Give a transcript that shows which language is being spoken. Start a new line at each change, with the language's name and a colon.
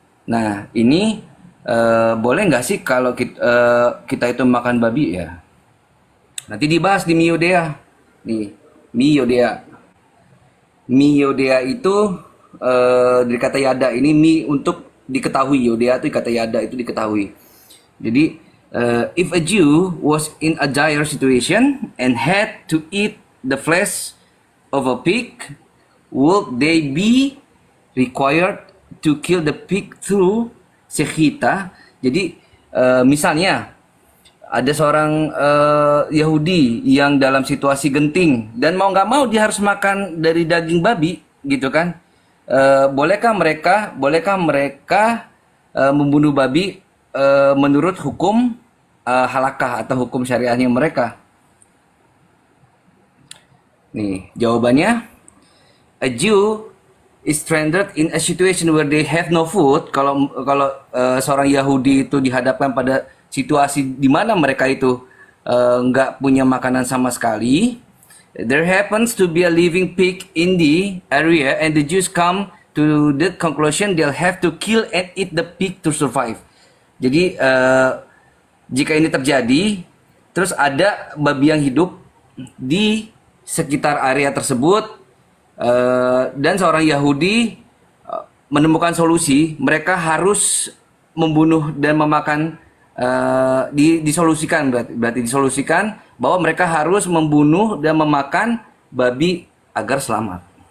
Indonesian: Nah ini boleh nggak sih kalau kita itu makan babi ya? Nanti dibahas di Miyodea. Nih, Miyodea. Miyodea itu dari kata yada ini mi untuk diketahui, yodea itu kata yada itu diketahui.
English: Jadi if a Jew was in a dire situation and had to eat the flesh of a pig, would they be required to kill the pig through sechita?
Indonesian: Jadi misalnya ada seorang Yahudi yang dalam situasi genting dan mau nggak mau dia harus makan dari daging babi gitu kan. Bolehkah mereka membunuh babi menurut hukum halakah atau hukum syariahnya mereka? Nih, jawabannya,
English: a Jew is stranded in a situation where they have no food.
Indonesian: Kalau seorang Yahudi itu dihadapkan pada situasi di mana mereka itu nggak punya makanan sama sekali.
English: There happens to be a living pig in the area, and the Jews come to the conclusion they'll have to kill and eat the pig to survive.
Indonesian: Jadi jika ini terjadi, terus ada babi yang hidup di sekitar area tersebut, dan seorang Yahudi menemukan solusi, mereka harus membunuh dan memakan, disolusikan, berarti disolusikan bahwa mereka harus membunuh dan memakan babi agar selamat.